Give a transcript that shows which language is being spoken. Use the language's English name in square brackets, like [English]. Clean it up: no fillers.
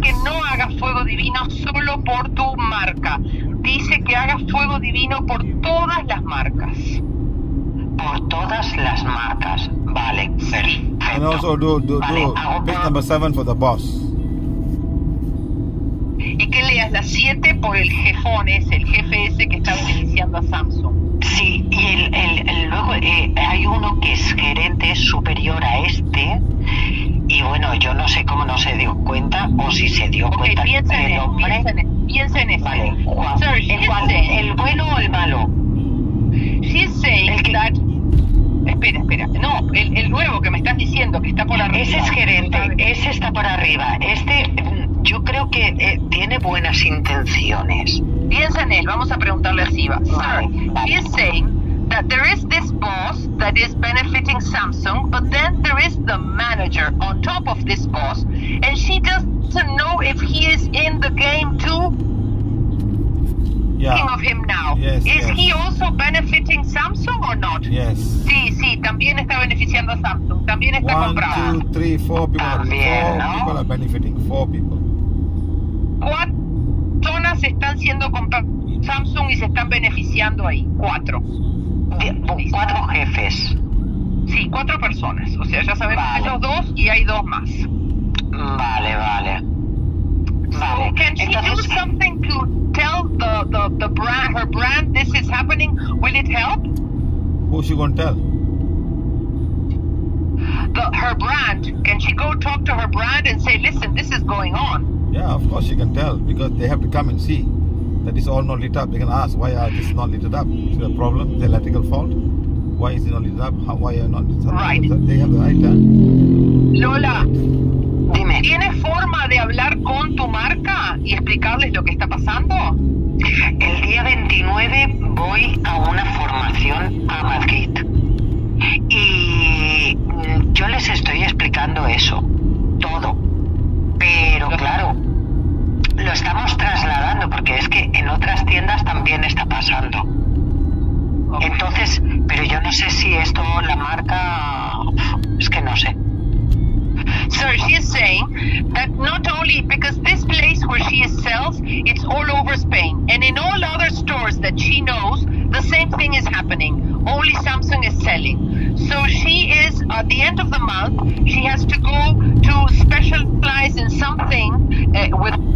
[Spanish] Dice que no hagas fuego divino solo por tu marca. Dice que hagas fuego divino por todas las marcas. Por todas las marcas. Vale. Perfecto. [English] And also do pick number 7 for the boss. [Spanish] Y que leas las 7 por el jefón ese, el jefe ese que está beneficiando a Samsung. Sí, y luego hay uno que es gerente superior a este, y bueno, yo no sé cómo no se dio cuenta, o si se dio cuenta el hombre. Piensa en ese. Vale, ¿el bueno o el malo? [English] She's saying that... [Spanish] Espera. No, el nuevo que me estás diciendo, que está por arriba. Ese es gerente, ese está por arriba. Este... Yo creo que tiene buenas intenciones. Piensa en él, vamos a preguntarle a Siva. [English] Sir, he is saying that there is this boss that is benefiting Samsung, but then there is the manager on top of this boss, and she doesn't know if he is in the game too. Yeah. Thinking of him now. Yes, is he also benefiting Samsung or not? Yes. [Spanish] Sí, también está beneficiando a Samsung. También está comprando. [English] 1, 2, 3, 4 people. People are benefiting. 4 people. [Spanish] ¿Cuántas personas están siendo comprados Samsung y se están beneficiando ahí? 4. 4 jefes. Sí, 4 personas. O sea, ya sabemos que los 2 y hay 2 más. Vale. [English] So can she do something to tell the brand, her brand, this is happening? Will it help? Who's she going to tell? Her brand. Can she go talk to her brand and say, listen, this is going on? Yeah, of course she can tell, because they have to come and see that it's all not lit up. They can ask, why are this not lit up? Is it a problem? Is it electrical fault? Why is it not lit up? Why are you not lit up? Right. They have the right time. Lola. [Spanish] Dime. ¿Tienes forma de hablar con tu marca y explicarles lo que está pasando? El día 29 voy a una formación a Madrid. Y yo les estoy explicando eso, todo. Pero claro, lo estamos trasladando, porque es que en otras tiendas también está pasando. Entonces, pero yo no sé si esto, la marca, es que no sé. [English] Sir, she is saying that not only because this place where she sells, it's all over Spain. And in all other stores that she knows, the same thing is happening. Only Samsung is selling. So she is, at the end of the month, she has to go to specialize in something with...